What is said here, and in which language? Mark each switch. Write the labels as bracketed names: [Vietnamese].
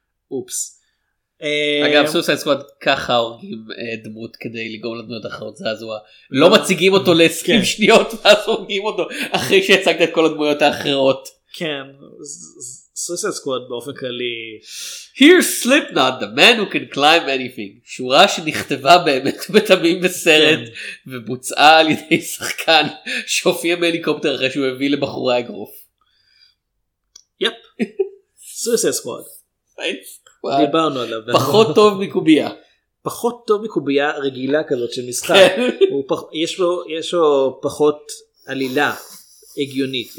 [Hebrew] אופס. אגב, סוסייד סקוואד ככה הורגים דמות כדי לגרום לדמות אחרות זעזוע. לא מציגים אותו לעשרים שניות ואז הורגים אותו אחרי שהצגת את כל הדמויות האחרות. כן, סוסייד סקוואד באופן כללי, [English] Here's Slipknot, the man who can climb anything. [Hebrew] שורה שנכתבה באמת בתמים בסרט, ובוצעה על ידי שחקן שהופיע מהליקופטר אחרי שהוא הביא לבחורי אגרוף. יפ. Suicide Squad. דיברנו עליו. פחות טוב מקובייה. פחות טוב מקובייה רגילה כזאת של משחק. יש לו פחות עלילה הגיונית.